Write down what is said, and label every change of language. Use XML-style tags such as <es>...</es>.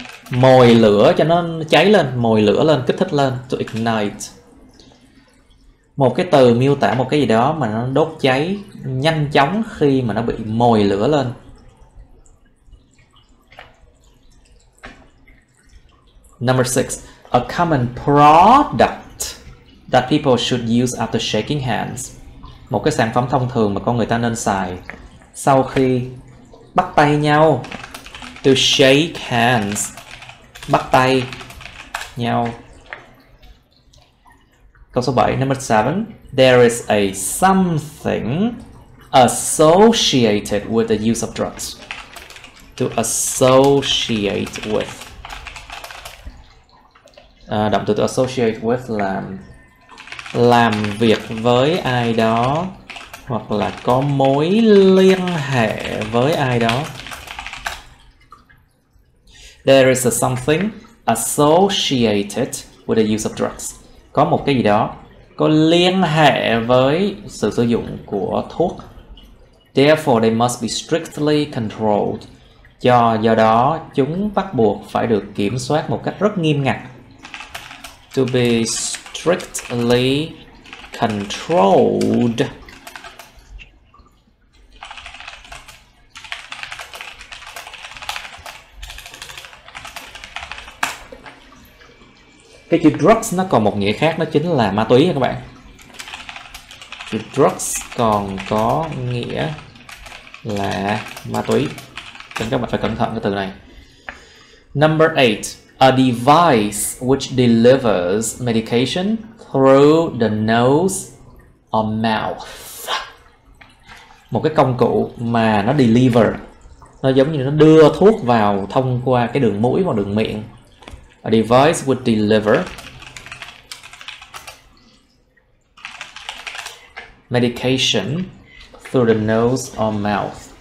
<vi>Mồi lửa cho nó cháy lên, mồi lửa lên, kích thích lên,</vi> <en>to ignite.</en> <vi>Một cái từ miêu tả một cái gì đó mà nó đốt cháy nhanh chóng khi mà nó bị mồi lửa lên.</vi> <en>Number 6, a common product that people should use after shaking hands.</en> <vi>Một cái sản phẩm thông thường mà con người ta nên xài sau khi bắt tay nhau.</vi> <en>To shake hands,</en> <vi>bắt tay nhau. Câu số 7,</vi> <en>number 7. There is a something associated with the use of drugs. To associate with.</en> <vi>Động từ</vi> <en>to associate with</en> <vi>là làm việc với ai đó hoặc là có mối liên hệ với ai đó.</vi> <en>There is a something associated with the use of drugs.</en> <vi>Có một cái gì đó có liên hệ với sự sử dụng của thuốc.</vi> <en>Therefore, they must be strictly controlled.</en> <vi>Do đó, chúng bắt buộc phải được kiểm soát một cách rất nghiêm ngặt.</vi> <en>To be strictly controlled.</en> <vi>Cái chữ drugs nó còn một nghĩa khác, nó chính là ma túy nha các bạn. Chữ drugs còn có nghĩa là ma túy. Nên các bạn phải cẩn thận cái từ này.</vi> <en>Number 8. A device which delivers medication through the nose or mouth.</en> <vi>Một cái công cụ mà nó deliver, nó giống như nó đưa thuốc vào thông qua cái đường mũi hoặc đường miệng.</vi> <en>A device would deliver medication through the nose or mouth.</en>